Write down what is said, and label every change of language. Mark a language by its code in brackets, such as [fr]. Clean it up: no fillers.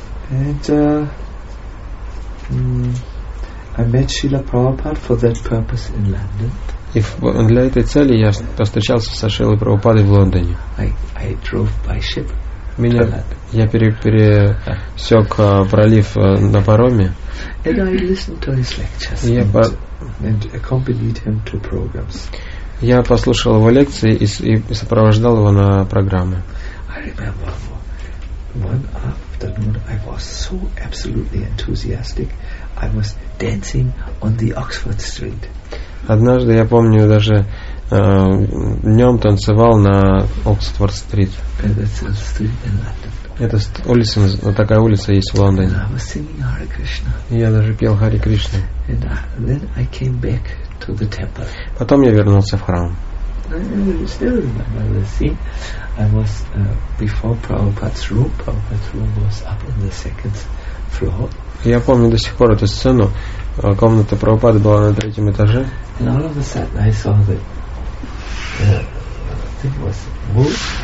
[en] And I met Srila Prabhupada for that purpose in London. [ru] И для этой цели я встречался со Шрилой Прабхупадой в Лондоне. [en] I drove by ship. [ru] Меня я пересек пролив на пароме. [en] And I listened to his lectures. And accompanied him to programs. [ru] Я послушал его лекции и сопровождал его на программы. [en] I remember one afternoon I was so absolutely enthusiastic. I was dancing on the Oxford Street. [ru] Однажды я помню даже днем танцевал на Oxford Street. [en] That's a street in London. [ru] Это улица, такая улица есть в Лондоне. [en] I was singing Hare Krishna. [ru] Я даже пел Хари Кришна. [en] And then I came back to the temple. [ru] Потом я вернулся в храм. [en] I still remember the scene. I was before Prabhupada's room. Prabhupada's room was up on the second floor. [ru] Я помню до сих пор эту сцену. Комната Прабхупады была на третьем этаже. [en] And all of a sudden I saw that thing was moved.